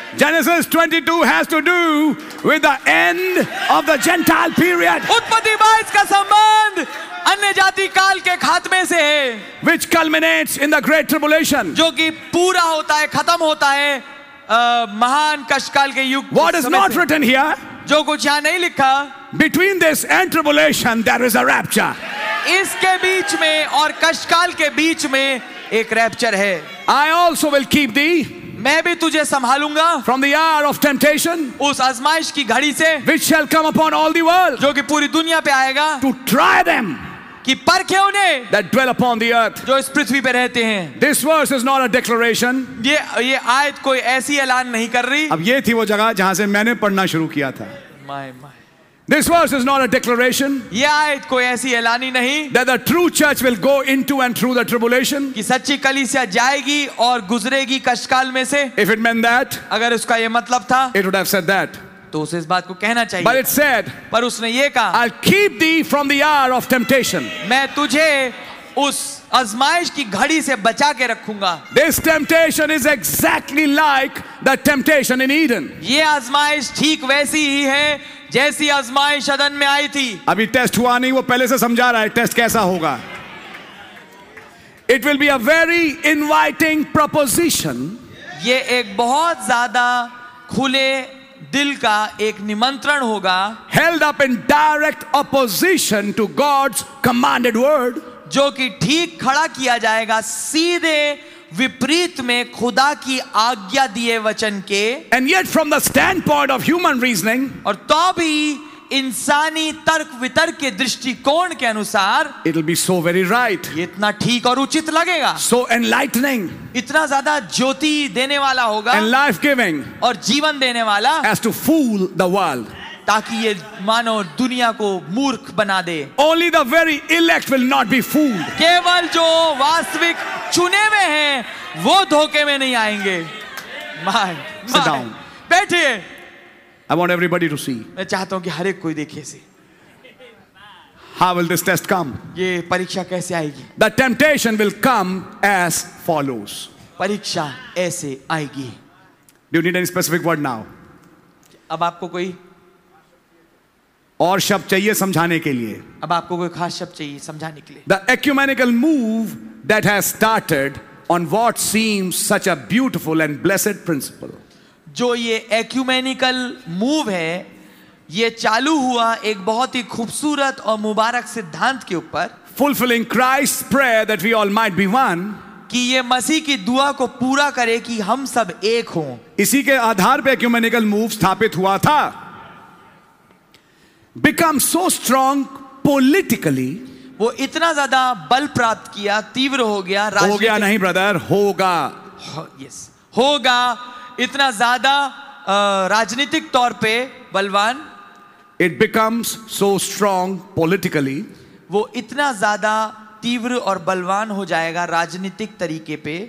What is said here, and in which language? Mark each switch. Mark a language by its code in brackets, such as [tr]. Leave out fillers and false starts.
[en] Genesis 22 has to do with the end of the Gentile period. [hi] उत्पत्ति 22 का संबंध अन्य जाति काल के खात्मे से है. [en] Which culminates in the great tribulation. [hi] जो कि पूरा होता है, खत्म होता है महान कष्टकाल के युग. [en] What is not written here? [hi] जो कुछ यहाँ नहीं लिखा. [en] Between this and tribulation, there is a rapture. [hi] इसके बीच में और कष्टकाल के बीच में एक रैप्चर है. [en] I also will keep thee. [hi] मैं भी तुझे संभालूंगा. [en] From the hour of temptation, [hi] उस आजमाइश की घड़ी से. [en] Which shall come upon all the world, [hi] जो कि पूरी दुनिया पे आएगा. [en] To try them, [hi] कि परखे उन्हें. [en] That dwell upon the earth, [hi] जो इस पृथ्वी पे रहते हैं. [en] This verse is not a declaration. [hi] ये आयत कोई ऐसी ऐलान नहीं कर रही. अब ये थी वो जगह जहां से मैंने पढ़ना शुरू किया था. [en] My. This verse is not a declaration. [hi] ये आयत कोई ऐसी ऐलान ही नहीं. [en] That the true church will go into and through the tribulation. [hi] कि सच्ची कलीसिया जाएगी और गुजरेगी कष्टकाल में से. [en] If it meant that, [hi] अगर उसका ये मतलब था, [en] it would have said that. [hi] तो उसे इस बात को कहना चाहिए. [en] But it said, [hi] पर उसने ये कहा, [en] I'll keep thee from the hour of temptation. [hi] मैं तुझे उस अजमाइश की घड़ी से बचा के रखूंगा. [en] This temptation is exactly like the temptation in Eden. [hi] ये अजमाइश ठीक वैसी ही है जैसी अजमाइश अदन में आई थी. अभी टेस्ट हुआ नहीं, वो पहले से समझा रहा है टेस्ट कैसा होगा. [en] It will be a very inviting proposition. [hi] ये एक बहुत ज्यादा खुले दिल का एक निमंत्रण होगा. [en] Held up in direct opposition to God's commanded word. [hi] जो कि ठीक खड़ा किया जाएगा सीधे विपरीत में खुदा की आज्ञा दिए वचन के. [en] And yet from the standpoint of human reasoning, [hi] और तो भी इंसानी तर्क वितर्क के दृष्टिकोण के अनुसार, [en] it will be so very right. [hi] ये इतना ठीक और उचित लगेगा. [en] So enlightening. [hi] इतना ज्यादा ज्योति देने वाला होगा. [en] And life-giving. [hi] और जीवन देने वाला. [en] As to fool the world. [hi] ताकि ये मानो दुनिया को मूर्ख बना दे. [en] Only the very elect will not be fooled. [hi] केवल जो वास्तविक चुने हुए हैं वो धोखे में नहीं आएंगे. [en] Sit down. [hi] बैठिए. [en] I want everybody to see. [hi] मैं चाहता हूं कि हर एक कोई देखे से. [en] How will this test come? [hi] ये परीक्षा कैसे आएगी? [en] The temptation will come as follows. [hi] परीक्षा ऐसे आएगी. [en] Do you need any specific word now? [hi] अब आपको कोई और शब्द चाहिए समझाने के लिए? अब आपको कोई खास शब्द चाहिए समझाने के लिए? [en] The ecumenical move that has started on what seems such a beautiful and blessed principle. [hi] जो ये ecumenical move है, ये चालू हुआ एक बहुत ही खूबसूरत और मुबारक सिद्धांत के ऊपर. [en] Fulfilling Christ's prayer that we all might be one. [hi] कि ये मसीह की दुआ को पूरा करे कि हम सब एक हों. इसी के आधार पे ecumenical move स्थापित हुआ था. [en] Become so strong politically. [hi] वो इतना ज्यादा बल प्राप्त किया, तीव्र हो गया राजनीति. हो गया नहीं ब्रदर, होगा. यस, होगा इतना ज्यादा राजनीतिक तौर पे बलवान. [en] It becomes so strong politically. [hi] वो इतना ज्यादा तीव्र और बलवान हो जाएगा राजनीतिक तरीके पे.